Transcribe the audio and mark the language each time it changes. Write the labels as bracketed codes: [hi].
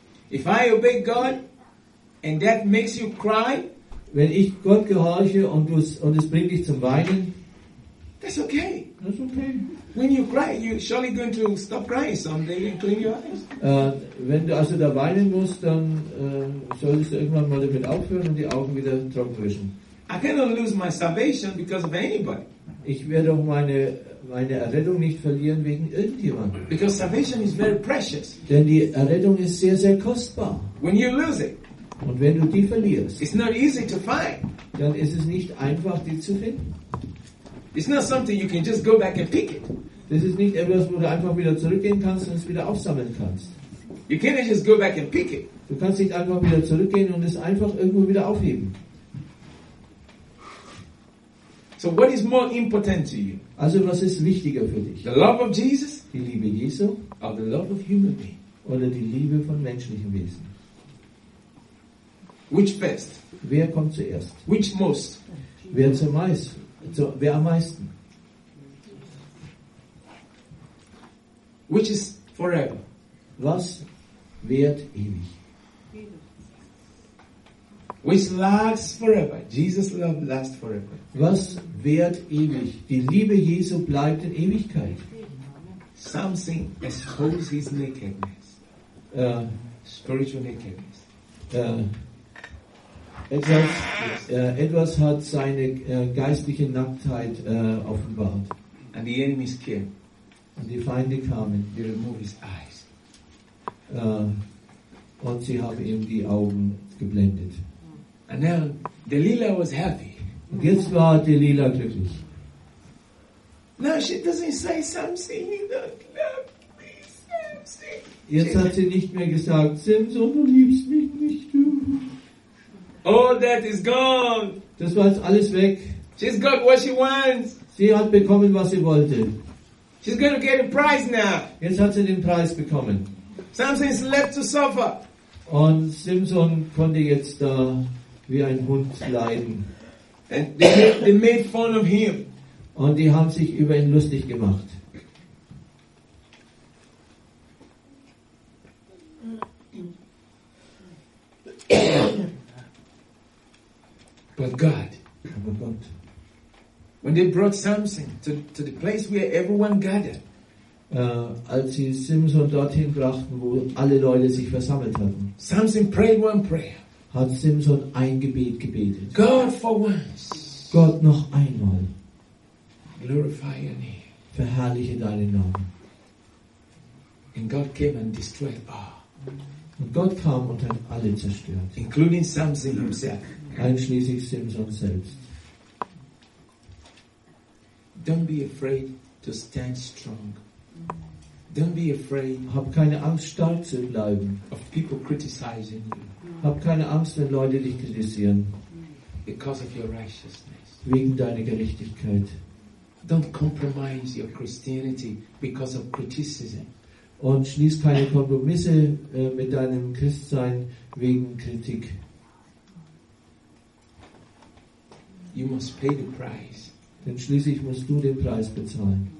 [en] If I obey God and that makes you cry, [de] wenn ich Gott gehorche und es bringt dich zum Weinen, [en] that's okay. That's okay. When you cry, you're surely going to stop crying someday and clean your eyes. [de] Wenn du also da weinen musst, dann solltest du irgendwann mal damit aufhören und die Augen wieder trocken wischen. [en] I cannot lose my salvation because of anybody. [de] Ich werde auch meine Errettung nicht verlieren wegen irgendjemandem. [en] Because salvation is very precious. [de] Denn die Errettung ist sehr, sehr kostbar. [en] When you lose it, [de] und wenn du die verlierst, [en] it's not easy to find. [de] Dann ist es nicht einfach, die zu finden. [en] It's not something you can just go back and pick it. [de] Das ist nicht etwas, wo du einfach wieder zurückgehen kannst und es wieder aufsammeln kannst. [en] You can't just go back and pick it. [de] Du kannst nicht einfach wieder zurückgehen und es einfach irgendwo wieder aufheben. [en] So what is more important to you? [de] Also was ist wichtiger für dich? [en] The love of Jesus? [de] Die Liebe Jesu? [en] Or the love of human being? [de] Oder die Liebe von menschlichen Wesen? [en] Which first? [de] Wer kommt zuerst? [en] Which most? [de] Wer zumeist? Wer am meisten? [en] Which is forever? [de] Was währt ewig? [en] Which lasts forever? Jesus' love lasts forever. [de] Was währt ewig? Die Liebe Jesu bleibt in Ewigkeit. [en] Something as holy as his nakedness. Spiritual nakedness. [de] Etwas hat seine geistliche Nacktheit offenbart. [en] And the enemies came. [de] Und die Feinde kamen. [en] They removed his eyes. [de] Und sie haben ihm die Augen geblendet. [en] And now Delilah was happy. [de] Und jetzt war Delilah glücklich. [en] Now she doesn't say something. You don't love me, Samson. [de] Jetzt hat sie nicht mehr gesagt, Samson, du liebst mich nicht, du. [en] All that is gone. [de] Das war jetzt alles weg. [en] She's got what she wants. [de] Sie hat bekommen, was sie wollte. [en] She's going to get a prize now. [de] Jetzt hat sie den Preis bekommen. [en] Samson's left to suffer. [de] Und Samson konnte jetzt da wie ein Hund leiden. [en] And they made fun of him. [de] Und die haben sich über ihn lustig gemacht. [en] But God, [de] aber Gott, [en] when they brought Samson to the place where everyone gathered, [de] als sie Samson dorthin brachten, wo alle Leute sich versammelt hatten, [en] Samson prayed one prayer. [de] Hat Samson ein Gebet gebetet. [en] God for once. [de] Gott noch einmal. [en] Glorify your name. [de] Verherrliche deinen Namen. [en] And God came and destroyed all. [de] Und Gott kam und hat alle zerstört. [en] Including Samson himself. [de] Einschließlich Samson selbst. [en] Don't be afraid to stand strong. Don't be afraid. [de] Hab keine Angst, stark zu bleiben. [en] Of people criticizing you. [de] Hab keine Angst, wenn Leute dich kritisieren. [en] Because of your righteousness. [de] Wegen deiner Gerechtigkeit. [en] Don't compromise your Christianity because of criticism. [de] Und schließ keine Kompromisse mit deinem Christsein wegen Kritik. [en] You must pay the price. [de] Denn schließlich musst du den Preis bezahlen.